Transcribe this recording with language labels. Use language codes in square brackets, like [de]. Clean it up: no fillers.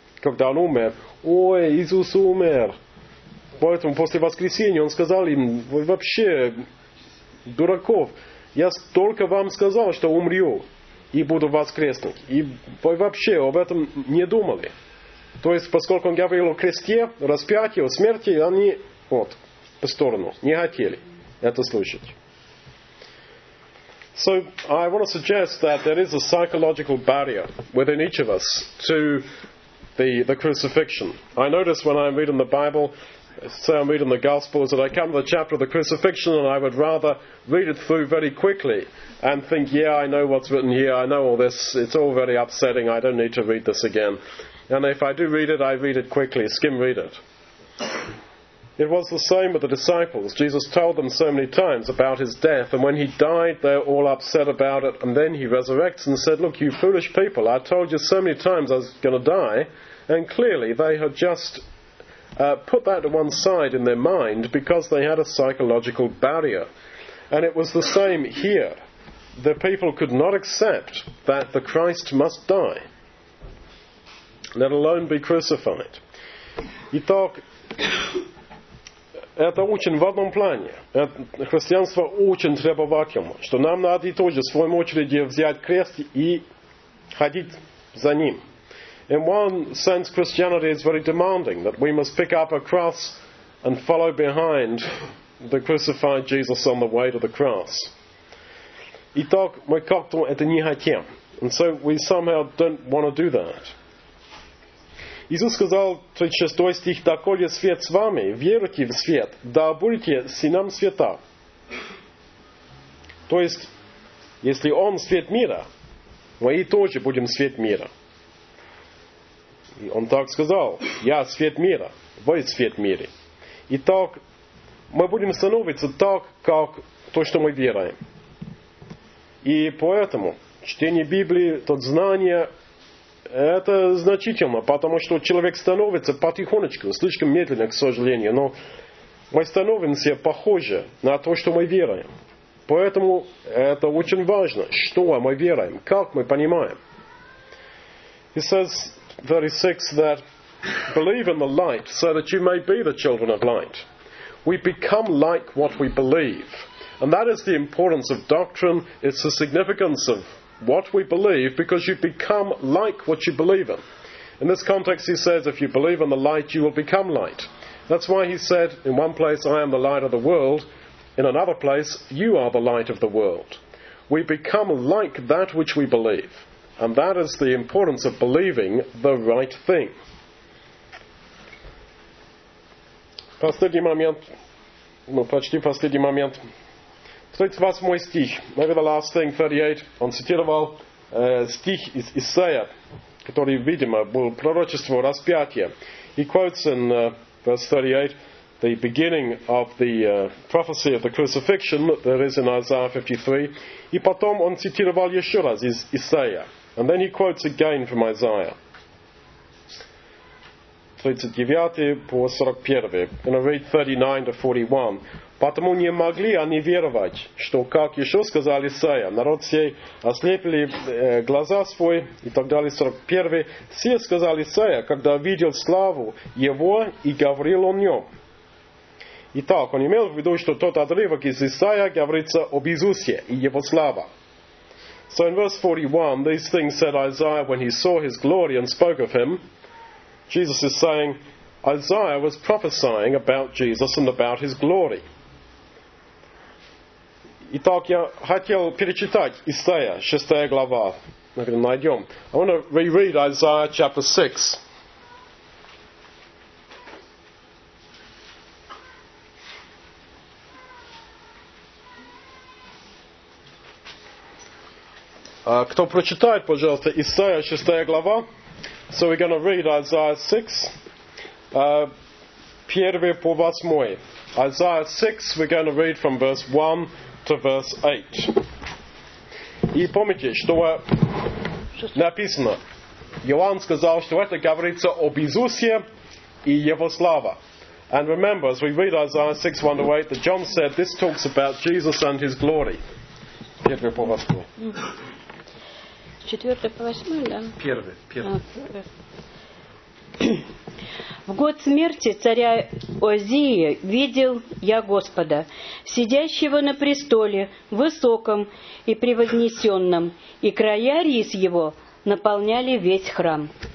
[ru] Когда он умер, ой, Иисус умер. Поэтому после воскресения он сказал им, вы вообще дураков. Я столько вам сказал, что умру и буду воскреснуть. И вы вообще об этом не думали. То есть, поскольку он говорил о кресте, распятии, о смерти, они вот по сторону, не хотели это слушать. [en] So, I want to suggest that there is a psychological barrier within each of us to the crucifixion. I notice when I'm reading the Bible, say I'm reading the Gospels, that I come to the chapter of the crucifixion and I would rather read it through very quickly and think, yeah, I know what's written here, I know all this, it's all very upsetting, I don't need to read this again. And if I do read it, I read it quickly, skim read it. It was the same with the disciples. Jesus told them so many times about his death, and when he died, they were all upset about it, and then he resurrects and said, look, you foolish people, I told you so many times I was going to die, and clearly they had just put that to one side in their mind because they had a psychological barrier. And it was the same here. The people could not accept that the Christ must die, let alone be crucified. [ru] Итак, это очень в одном плане. Христианство очень требовательно, что нам надо и тоже в своем очереди взять крест и ходить за ним. [en] In one sense, Christianity is very demanding, that we must pick up a cross and follow behind the crucified Jesus on the way to the cross. [ru] Итак, мы как-то это не хотим. [en] And so we somehow don't want to do that. [ru] Иисус сказал, 36 стих, «Доколе свет с вами, веруйте в свет, да будете сыном света». То есть, если Он свет мира, мы и тоже будем свет мира. И Он так сказал, «Я свет мира, вы свет мира». Итак, мы будем становиться так, как то, что мы веруем. И поэтому чтение Библии, то знание – это значительно, потому что человек становится потихонечку, слишком медленно, к сожалению, но мы становимся похожи на то, что мы веруем. Поэтому это очень важно, что мы веруем, как мы понимаем. [en] He says, 36, that believe in the light so that you may be the children of light. We become like what we believe. And that is the importance of doctrine, it's the significance of what we believe, because you become like what you believe in. In this context, he says, if you believe in the light, you will become light. That's why he said, in one place, I am the light of the world. In another place, you are the light of the world. We become like that which we believe. And that is the importance of believing the right thing. [ru] Последний момент. Ну, почти последний момент. 38 стих, [en] maybe the last thing, [ru] 38, он цитировал стих из Исаия, который, видимо, был пророчеством распятия. [en] He quotes in verse 38, the beginning of the prophecy of the crucifixion that is in Isaiah 53. [ru] И потом он цитировал еще раз из Исаия. [en] And then he quotes again from Isaiah. [ru] 39 по 41. [en] And I read 39 to 41. [ru] Потому не могли они веровать, что, как еще сказал Исаия, народ сей ослепили глаза свои, и так далее, 41. Все сказал Исаия, когда видел славу его и говорил о нем. Итак, он имел в виду, что тот отрывок из Исаия говорится об Иисусе и его слава. [en] So in verse 41, these things said Isaiah when he saw his glory and spoke of him. Jesus is saying, Isaiah was prophesying about Jesus and about his glory. [ru] Итак, я хотел перечитать Исаия, 6 глава. Наверное, найдем. [en] I want to reread Isaiah chapter 6. [ru] Кто прочитает, пожалуйста, Исаия, 6 глава? [en] So we're going to read Isaiah 6. [ru] Первый по 8. [en] Isaiah 6, we're going to read from verse 1. Verse 8. [ru] И помните, что написано. Иоанн сказал, что это говорится об Иисусе и его слава. And remember, as we read Isaiah 6, 1 to 8, that John said, this talks about Jesus and his glory. Первый по восьмой. Четвертый по восьмой, да? Первый. В год смерти царя Озии видел я Господа, сидящего на престоле, высоком и превознесенном, и края рис его наполняли весь храм.